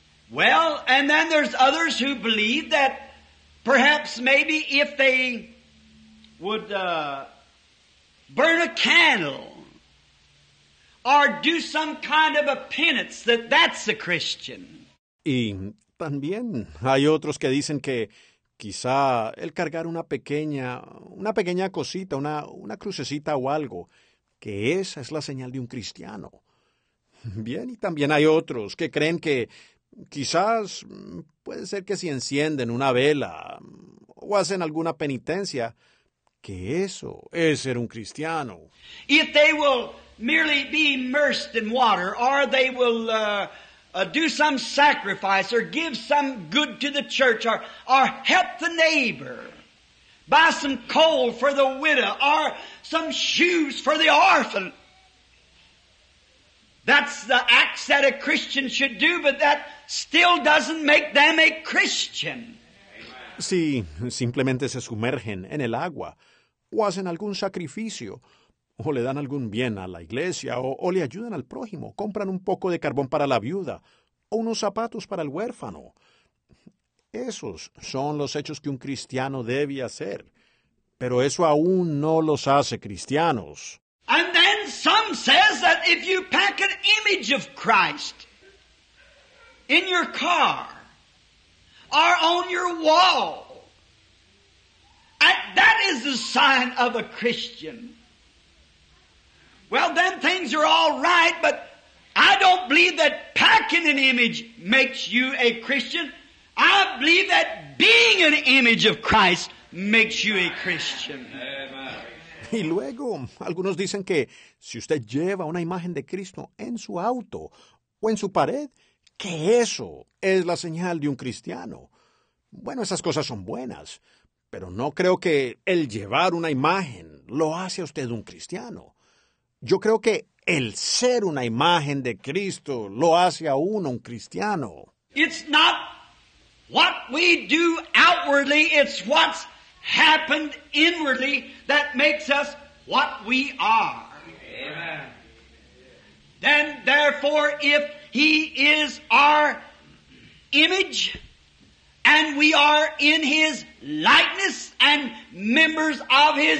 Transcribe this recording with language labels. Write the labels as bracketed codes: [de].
[en] Well, and then there's others who believe that perhaps maybe if they would burn a candle or do some kind of a penance that that's a Christian. [es] Y también hay otros que dicen que quizá el cargar una pequeña cosita, una crucecita o algo, que esa es la señal de un cristiano. Bien, y también hay otros que creen que quizás puede ser que si encienden una vela o hacen alguna penitencia, que eso es ser un cristiano. [en] If they will merely be immersed in water, or they will do some sacrifice, or give some good to the church, or help the neighbor, buy some coal for the widow, or some shoes for the orphan. That's the acts that a Christian should do, but that still doesn't make them a Christian. [es] Si simplemente se sumergen en el agua, o hacen algún sacrificio, o le dan algún bien a la iglesia, o le ayudan al prójimo, compran un poco de carbón para la viuda, o unos zapatos para el huérfano. Esos son los hechos que un cristiano debe hacer, pero eso aún no los hace cristianos. [en] And then some says that if you pack an image of Christ in your car or on your wall, that is a sign of a Christian. Well, then things are all right, but I don't believe that packing an image makes you a Christian. I believe that being an image of Christ makes you a Christian. [es] Y luego, algunos dicen que si usted lleva una imagen de Cristo en su auto o en su pared, que eso es la señal de un cristiano. Bueno, esas cosas son buenas, pero no creo que el llevar una imagen lo hace a usted un cristiano. Yo creo que el ser una imagen de Cristo lo hace a uno un cristiano. [en] It's not what we do outwardly, it's what's happened inwardly that makes us what we are. Amen. Then, therefore, if He is our image, and we are in His likeness and members of His